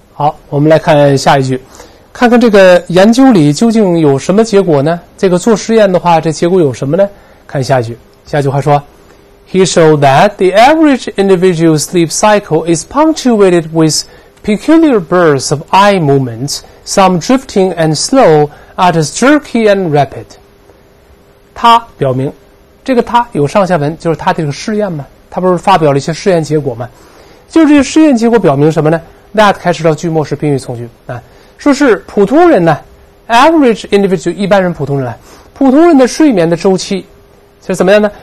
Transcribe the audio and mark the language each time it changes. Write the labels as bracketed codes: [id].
[zh] 好，我们来看下一句，看看这个研究里究竟有什么结果呢？这个做实验的话，这结果有什么呢？看下一句，下一句话说， [en] He showed that the average individual's sleep cycle is punctuated with peculiar bursts of eye movements, some drifting and slow, others jerky and rapid. [zh] 他表明，这个他有上下文，就是他的这个试验嘛，他不是发表了一些试验结果嘛？就是这个试验结果表明什么呢？ That 开始到句末是宾语从句啊，说是普通人呢 ，average individual 一般人普通人，普通人的睡眠的周期是怎么样呢？